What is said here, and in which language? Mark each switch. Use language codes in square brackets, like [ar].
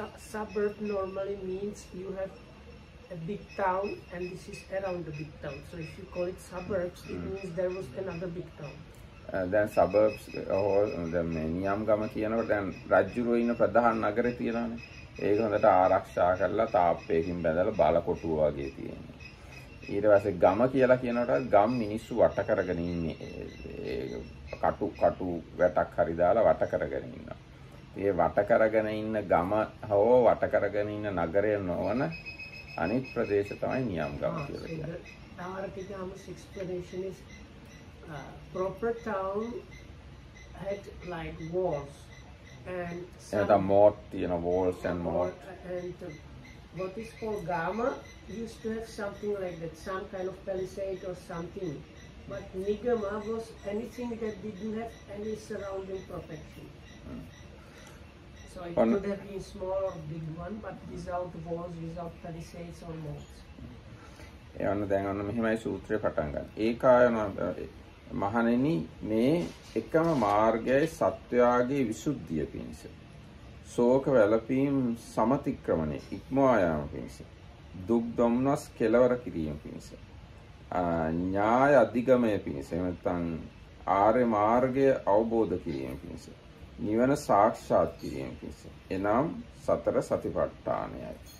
[en] Suburb normally means you have a big town and this is around the big town. So if you call it suburbs, it means there was another big town. Then suburbs or the [si] Niyam Gama කියනකොට දැන් රජුරෝ ඉන්න ප්‍රධාන නගරේ තියෙනවානේ. ඒක හොඳට ආරක්ෂා කරලා තාප්පයකින් බැඳලා බලකොටුව වගේ තියෙනවා. ඊට පස්සේ ගම කියලා කියනකොට ගම් මිනිස්සු වට කරගෙන ඉන්නේ කටු වැටක් හරි දාලා වට කරගෙන ඉන්නවා. ඒ වට කරගෙන ඉන්න ගම හෝ වට කරගෙන ඉන්න නගරය නොවන අනිත් ප්‍රදේශ තමයි නියම් ගම කියලා කියන්නේ. [en] Tamarakigam sixth generation is proper town had like walls and the moat, you know, walls and moat. What is called Gama used to have something like that, some kind of palisade or something. But Nigama was anything that didn't have any surrounding protection. So it could have been small or big one, but without walls, without palisades or moats. [si] එවන දැන් අන්න මෙහිමයි සූත්‍රය පටන් ගන්න. ඒකායන මහණෙනි මේ එකම මාර්ගයයි සත්‍යාගයේ විසුද්ධිය පිණිස. ශෝක වැළපීම් සමතික්‍රමණය ඉක්මවා යාම පිණිස දුක් දොම්නස් කෙලවර කිරීම පිණිස ඥාය අධිගමය පිණිස නැත්නම් ආර්ය මාර්ගය අවබෝධ කිරීම පිණිස නිවන සාක්ෂාත් කිරීම පිණිස එනම් සතර සතිපට්ඨානයයි.